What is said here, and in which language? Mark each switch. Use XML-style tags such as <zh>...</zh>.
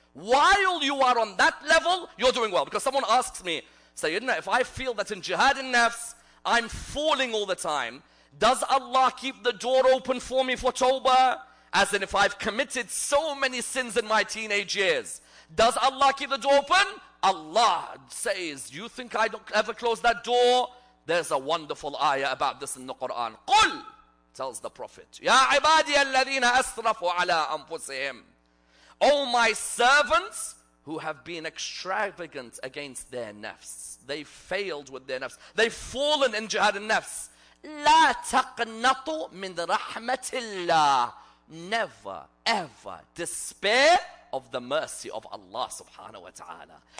<en>While you are on that level, you're doing well. Because someone asks me, Sayyidina, if I feel that in jihad in nafs, I'm falling all the time, does Allah keep the door open for me for tawbah? As in, if I've committed so many sins in my teenage years, does Allah keep the door open? Allah says, you think I don't ever close that door? There's a wonderful ayah about this in the Quran.</en> <ar>قُلْ</ar> <en>tells the Prophet,</en> <ar>يَا عِبَادِيَ الَّذِينَ أَسْرَفُوا عَلَىٰ أَنفُسِهِمْ.</ar> <en>O my servants, who have been extravagant against their nafs. They failed with their nafs. They've fallen in jihad and nafs.</en> <ar>La taqnatu min rahmatillah.</ar> <en>Never, ever despair of the mercy of Allah</en> <ar>subhanahu wa ta'ala.</ar>